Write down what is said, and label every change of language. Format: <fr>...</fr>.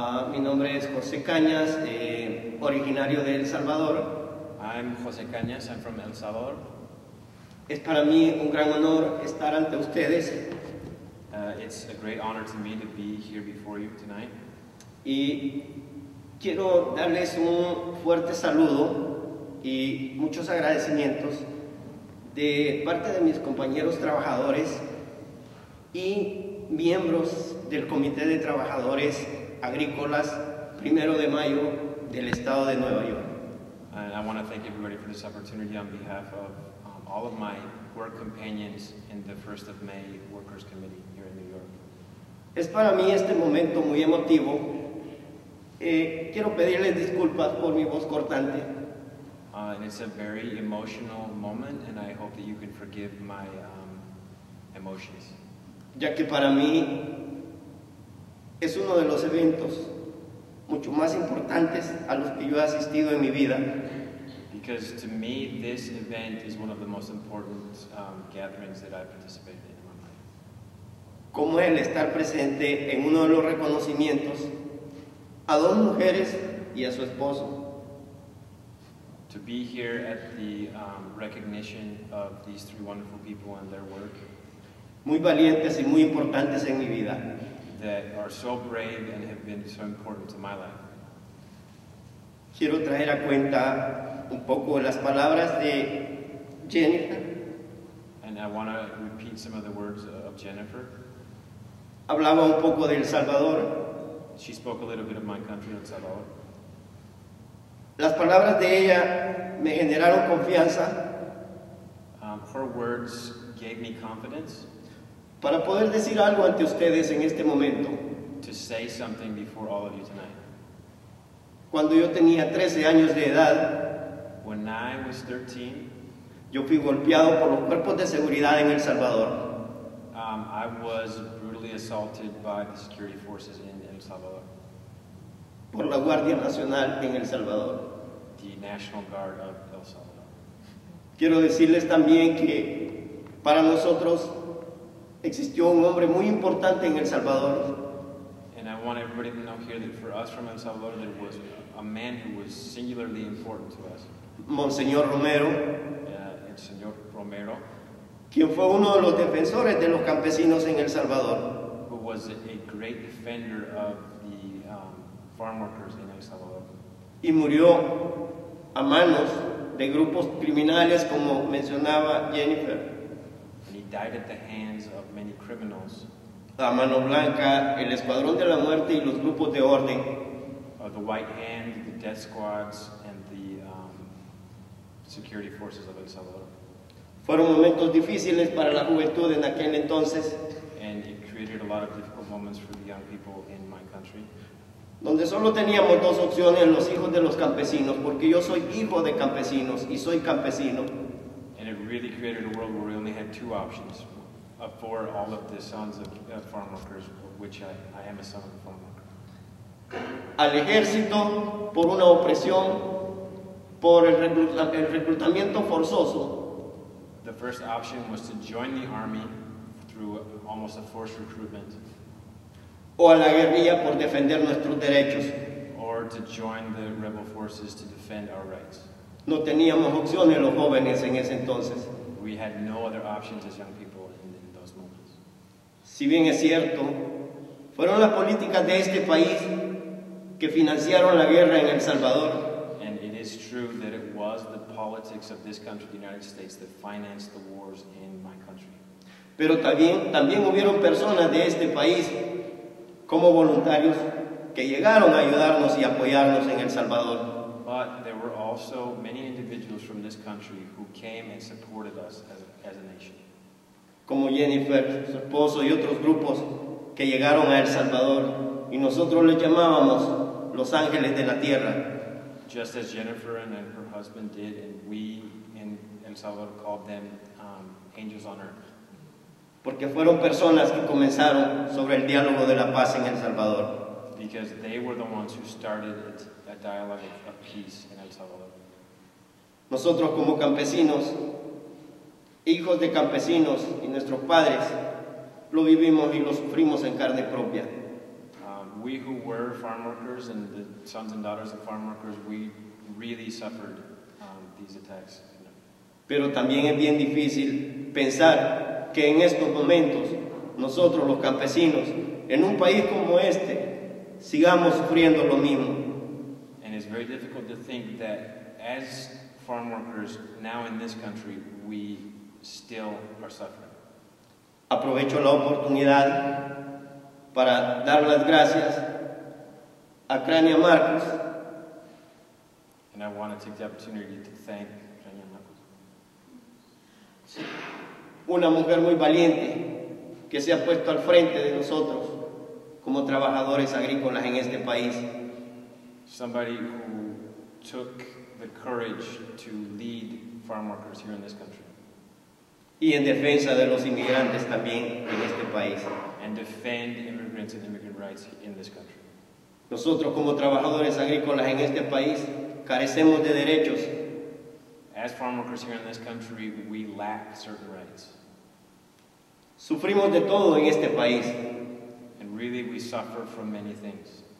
<es>Mi nombre es José Cañas, originario de El Salvador.</es> <en>I'm José Cañas, I'm from El Salvador.</en> <es>Es para mí un gran honor estar ante ustedes.</es> <en>It's a great honor to me to be here before you tonight.</en> <es>Y quiero darles un fuerte saludo y muchos agradecimientos de parte de mis compañeros trabajadores y miembros del Comité de Trabajadores Agrícolas Primero de Mayo del Estado de Nueva York.</es> <en>And I want to thank everybody for this opportunity on behalf of all of my work companions in the First of May Workers Committee here in New York.</en> <es>Es para mí este momento muy emotivo. Quiero pedirles disculpas por mi voz cortante.</es> <en>And it's a very emotional moment, and I hope that you can forgive my emotions.</en> <es>Ya que para mí es uno de los eventos mucho más importantes a los que yo he asistido en mi vida.</es> <en>Because to me, this event is one of the most important gatherings that I've participated in my life.</en> <es>Como el estar presente en uno de los reconocimientos a dos mujeres y a su esposo.</es> <en>To be here at the recognition of these three wonderful people and their work.</en> <es>Muy valientes y muy importantes en mi vida.</es> <en>That are so brave and have been so important to my life.</en> <es>Quiero traer a cuenta un poco las palabras de Jennifer.</es> <en>And I want to repeat some of the words of Jennifer.</en> <es>Hablaba un poco de El Salvador.</es> <en>She spoke a little bit of my country, El Salvador.</en> <es>Las palabras de ella me generaron confianza.</es> <en>Her words gave me confidence.</en> <es>Para poder decir algo ante ustedes en este momento.</es> <en>To say something before all of you tonight.</en> <es>Cuando yo tenía 13 años de edad.</es> <en>When I was 13.</en> <es>Yo fui golpeado por los cuerpos de seguridad en El Salvador.</es> <en>I was brutally assaulted by the security forces in El Salvador.</en> <es>Por la Guardia Nacional en El Salvador.</es> <en>The National Guard of El Salvador.</en> <es>Quiero decirles también que para nosotros existió un hombre muy importante en El Salvador.</es> <en>And I want everybody to know here that for us from El Salvador, there was a man who was singularly important to us.</en> <es>Monseñor Romero. El señor Romero. Quien fue uno de los defensores de los campesinos en El Salvador.</es> <en>Who was a great defender of the farm workers in El Salvador.</en> <es>Y murió a manos de grupos criminales como mencionaba Jennifer.</es> <en>And he died at the hands of many criminals.</en> <es>La mano blanca, el escuadrón de la muerte y los grupos de orden.</es> <en>The white hand, the death squads, and the security forces of El Salvador.</en> <es>Fueron momentos difíciles para la juventud en aquel entonces.</es> <en>And it created a lot of difficult moments for the young people in my country.</en> <es>Donde solo teníamos dos opciones, los hijos de los campesinos, porque yo soy hijo de campesinos y soy campesino.</es> <en>And it really created a world where we only had two options for all of the sons of farm workers, which I am a son of a farm worker.</en> <es>Al ejército por una opresión, por el reclutamiento forzoso.</es> <en>The first option was to join the army through almost a forced recruitment.</en> <es>O a la guerrilla por defender nuestros derechos.</es> <en>Or to join the rebel forces to defend our rights.</en> <es>No teníamos opciones los jóvenes en ese entonces.</es> <en>We had no other options as young people in those moments.</en> <es>Si bien es cierto, fueron las políticas de este país que financiaron la guerra en El Salvador.</es> <en>And it is true that it was the politics of this country, the United States, that financed the wars in my country.</en> <es>Pero también hubieron personas de este país como voluntarios que llegaron a ayudarnos y apoyarnos en El Salvador.</es> <en>But there were also many individuals from this country who came and supported us as a nation.</en> <es>Como Jennifer, su esposo y otros grupos que llegaron a El Salvador y nosotros les llamábamos los ángeles de la tierra.</es> <en>Just as Jennifer and her husband did, and we in El Salvador called them angels on earth.</en> <es>Porque fueron personas que comenzaron sobre el diálogo de la paz en El Salvador.</es> <en>Because they were the ones who started a dialogue of peace in El Salvador.</en> <es>Nosotros como campesinos, hijos de campesinos y nuestros padres, lo vivimos y lo sufrimos en carne propia.</es> <en>We who were farm workers and the sons and daughters of farm workers, we really suffered these attacks.</en> <es>Pero también es bien difícil pensar que en estos momentos nosotros los campesinos en un país como este sigamos sufriendo lo mismo.</es> <en>And it's very difficult to think that as farm workers now in this country we still are suffering.</en> <es>Aprovecho la oportunidad para dar las gracias a Grania Marcus.</es> <en>And I want to take the opportunity to thank Grania Marcus.</en> <es>Una mujer muy valiente que se ha puesto al frente de nosotros como trabajadores agrícolas en este país.</es> <en>Somebody who took the courage to lead farm workers here in this country.</en> <es>Y en defensa de los inmigrantes también en este país.</es> <en>And defend immigrants and immigrant rights in this country.</en> <es>Nosotros como trabajadores agrícolas en este país carecemos de derechos.</es> <en>As farm workers here in this country, we lack certain rights.</en> <es>Sufrimos de todo en este país.</es> <en>And really, we suffer from many things.</en>